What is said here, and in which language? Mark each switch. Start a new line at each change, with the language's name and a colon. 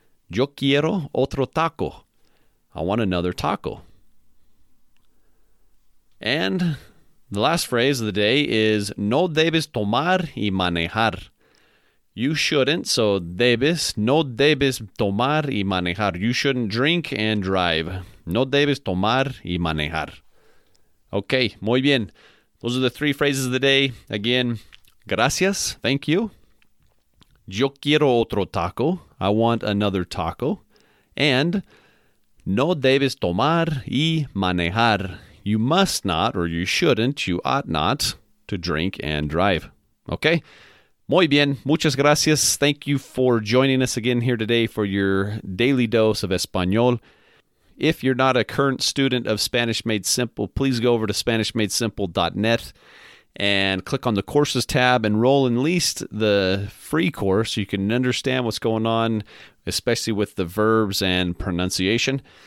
Spanish: Yo quiero otro taco.
English: I want another taco. And the last phrase of the day is,
Spanish: no debes tomar y manejar.
English: You shouldn't, so debes,
Spanish: no debes tomar y manejar.
English: You shouldn't drink and drive.
Spanish: No debes tomar y manejar. Okay, muy bien.
English: Those are the three phrases of the day. Again, gracias, thank you.
Spanish: Yo quiero otro taco.
English: I want another taco.
Spanish: And no debes tomar y manejar.
English: You must not, or you shouldn't, you ought not to drink and drive. Okay.
Spanish: Muy bien. Muchas gracias.
English: Thank you for joining us again here today for your daily dose of Español. If you're not a current student of Spanish Made Simple, please go over to SpanishMadeSimple.net and click on the courses tab, enroll in at least the free course so you can understand what's going on, especially with the verbs and pronunciation.